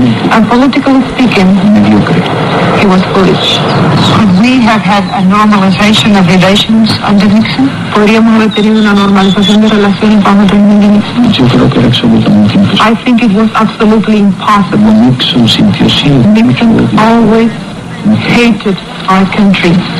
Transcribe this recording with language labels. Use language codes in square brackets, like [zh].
[en] And politically speaking, he was foolish. Could we have had a normalization of relations under Nixon? [es] ¿Podríamos haber tenido una normalización de relaciones bajo el régimen de Nixon? Yo creo que era absolutamente imposible. [en] I think it was absolutely impossible. [es] Nixon sintió siempre. [en] Nixon always hated our country.